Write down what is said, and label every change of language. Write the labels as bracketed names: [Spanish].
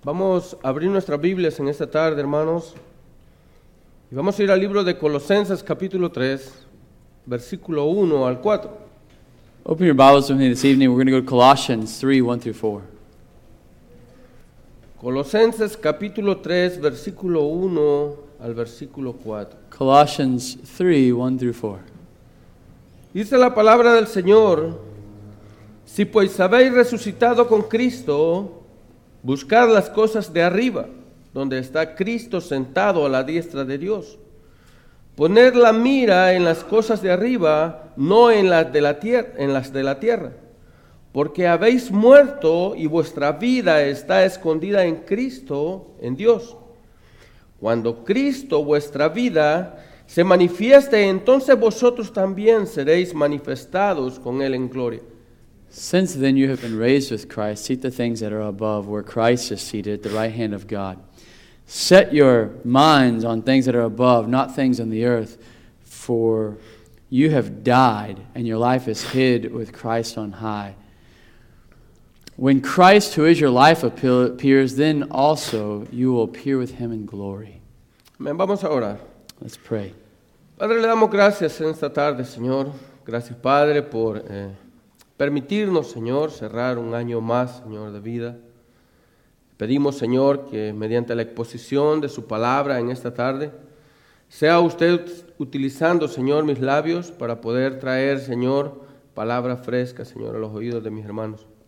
[Spanish] Vamos a abrir nuestras Biblias en esta tarde, hermanos. Y vamos a ir al libro de Colosenses, capítulo 3, versículo 1 al 4. [English] Open your Bibles with me this evening. We're going to go to Colossians 3, 1 through 4. [Spanish] Colosenses, capítulo 3, versículo 1 al versículo 4. [English] Colossians 3, 1 through 4. [Spanish] Dice la palabra del Señor: si pues habéis resucitado con Cristo, buscad las cosas de arriba, donde está Cristo sentado a la diestra de Dios. Poned la mira en las cosas de arriba, no en las de la tierra, porque habéis muerto y vuestra vida está escondida en Cristo, en Dios. Cuando Cristo, vuestra vida, se manifieste, entonces vosotros también seréis manifestados con Él en gloria. [English] Since then you have been raised with Christ, seek the things that are above, where Christ is seated at the right hand of God. Set your minds on things that are above, not things on the earth, for you have died, and your life is hid with Christ on high. When Christ, who is your life, appears, then also you will appear with Him in glory. [Spanish] Amen. Vamos a orar. [English] Let's pray. [Spanish] Padre, le damos gracias en esta tarde, Señor. Gracias, Padre, por permitirnos, Señor, cerrar un año más, Señor, de vida. Pedimos, Señor, que mediante la exposición de su palabra en esta tarde, sea usted utilizando, Señor, mis labios para poder traer, Señor, palabra fresca, Señor, a los oídos de mis hermanos.